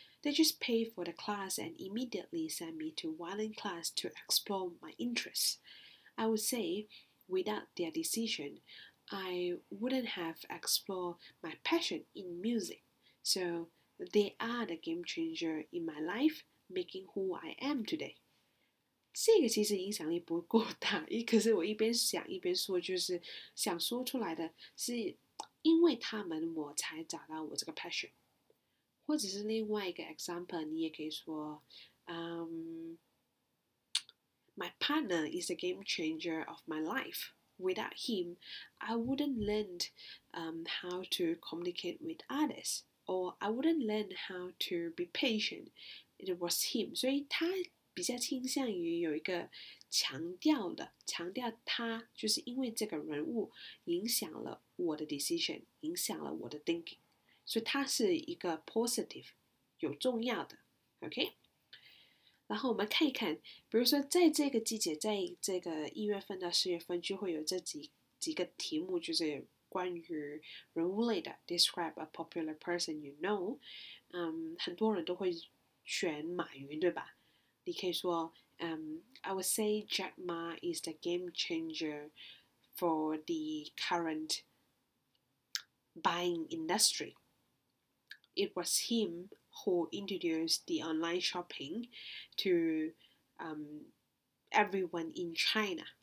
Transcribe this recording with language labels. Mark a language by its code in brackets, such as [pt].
[en] They just paid for the class and immediately sent me to violin class to explore my interests. I would say, without their decision, I wouldn't have explored my passion in music. So they are the game changer in my life, making who I am today. [zh] 这个其实影响力不够大，可是我一边想一边说，就是想说出来的是因为他们我才找到我这个 passion。或者是另外一个 example， 你也可以说 [en] My partner is a game changer of my life. Without him, I wouldn't learn how to communicate with others. Or I wouldn't learn how to be patient. It was him. [zh] 所以他比较倾向于有一个强调他就是因为这个人物影响了我的 decision， 影响了我的 thinking。所以它是一个 positive， 有重要的 ，OK。然后我们看一看，比如说在这个季节，在这个一月份到十月份，就会有这几个题目，就是关于人物类的 ， [en] describe a popular person you know。 [zh] 很多人都会选马云，对吧？你可以说， [en] I would say Jack Ma is the game changer for the current buying industry。 It was him who introduced the online shopping to everyone in China.